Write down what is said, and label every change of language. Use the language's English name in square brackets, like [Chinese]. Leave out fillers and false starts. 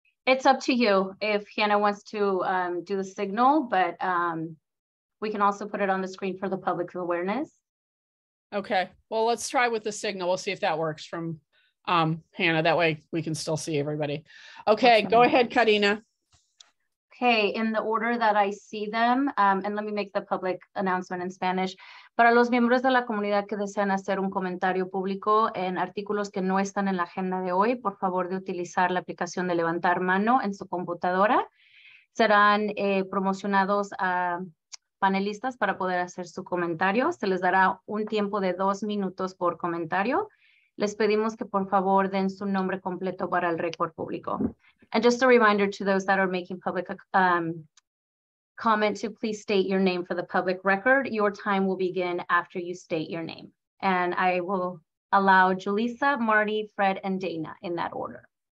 [English] It's up to you if Hannah wants to do the signal, but we can also put it on the screen for the public awareness. Okay, well, let's try with the signal. We'll see if that works from Hannah. That way we can still see everybody. Okay, go ahead, Karina. Okay, in the order that I see them, and let me make the public announcement in Spanish. [Spanish] Para los miembros de la comunidad que desean hacer un comentario público en artículos que no están en la agenda de hoy, por favor de utilizar la aplicación de levantar mano en su computadora. Serán promocionados a panelistas para poder hacer su comentario. Se les dará un tiempo de 2 minutos por comentario. Les pedimos que por favor den su nombre completo para el récord público. [English] And just a reminder to those that are making public comment to please state your name for the public record. Your time will begin after you state your name. And I will allow Julissa, Marty, Fred, and Dana in that order.